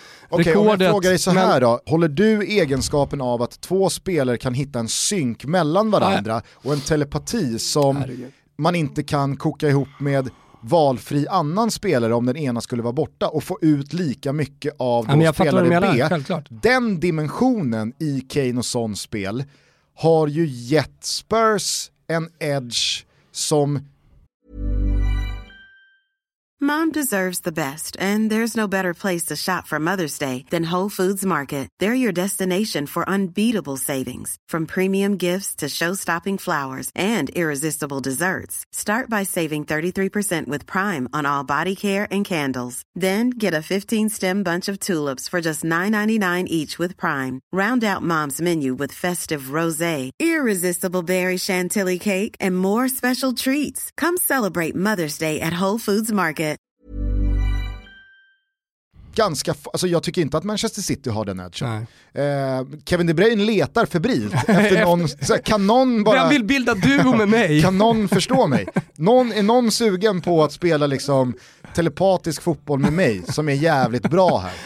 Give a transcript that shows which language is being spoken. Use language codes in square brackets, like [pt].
[sv] Okej, okay, jag frågar dig så här men... då. Håller du egenskapen av att två spelare kan hitta en synk mellan varandra och en telepati som man inte kan koka ihop med valfri annan spelare om den ena skulle vara borta och få ut lika mycket av spelare B? Självklart. Den dimensionen i Kane och Sons spel har ju gett Spurs en edge som... [en] Mom deserves the best, and there's no better place to shop for Mother's Day than Whole Foods Market. They're your destination for unbeatable savings, from premium gifts to show-stopping flowers and irresistible desserts. Start by saving 33% with Prime on all body care and candles. Then get a 15-stem bunch of tulips for just $9.99 each with Prime. Round out Mom's menu with festive rosé, irresistible berry chantilly cake, and more special treats. Come celebrate Mother's Day at Whole Foods Market. [sv] ganska, alltså jag tycker inte att Manchester City har den edge. Kevin De Bruyne letar febrilt efter någon, så här, kan någon bara, jag vill bilda duo med mig. Kan någon förstå mig? Någon, är någon sugen på att spela liksom telepatisk fotboll med mig som är jävligt bra här?